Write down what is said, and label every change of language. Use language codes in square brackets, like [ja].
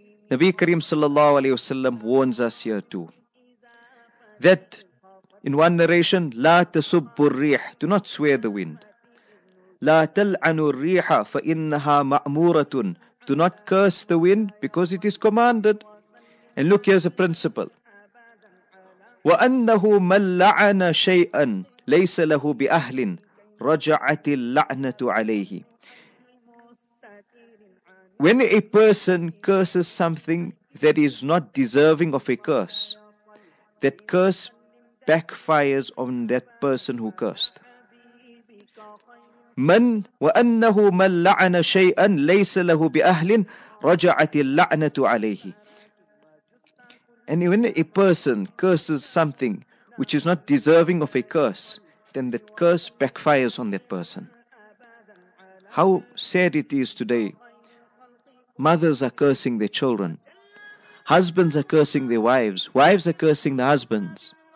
[en] Nabi Kareem sallallahu alayhi wa sallam warns us here too. That in one narration, [ar] لا تسب الريح, [en] do not swear the wind. [ar] لا تلعن الريح فإنها مأمورة, [en] do not curse the wind because it is commanded. And look, here's a principle. [ar] وأنه من لعن شيئا ليس له بأهل رجعت اللعنة عليه. [en] When a person curses something that is not deserving of a curse, that curse backfires on that person who cursed. [ar] من وأنه من لعن شيئا ليس له بأهل رجعت اللعنة عليه. [en] And when a person curses something which is not deserving of a curse, then that curse backfires on that person. How sad it is today. Mothers are cursing their children. Husbands are cursing their wives. Wives are cursing the husbands.